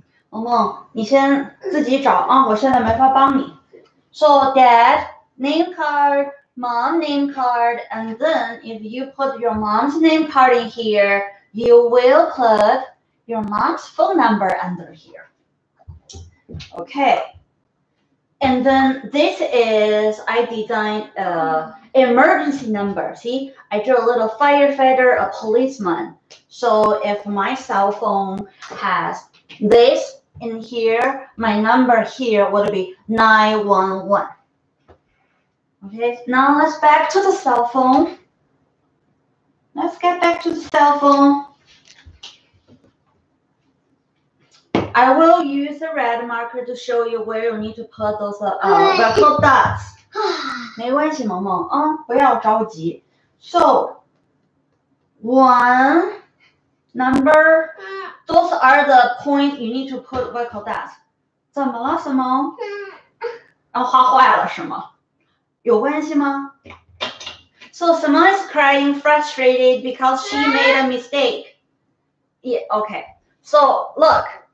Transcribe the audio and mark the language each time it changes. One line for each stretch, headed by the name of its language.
Chinese: 萌萌，你先自己找啊，我现在没法帮你。
English: So dad name card, mom name card, and then if you put your mom's name card in here, you will put your mom's phone number under here. Okay. And then this is, I designed emergency number. See, I drew a little firefighter, a policeman. So if my cell phone has this in here, my number here would be 911. Okay, now let's back to the cell phone. Let's get back to the cell phone. I will use the red marker to show you where you need to put those rubber dots.
Chinese: 没关系，萌萌啊，不要着急。
English: So, one, number, those are the points you need to put rubber dots.
Chinese: 怎么了，什么？啊，画坏了是吗？有关系吗？
English: So, Simone is crying frustrated because she made a mistake. Yeah, okay. So, look.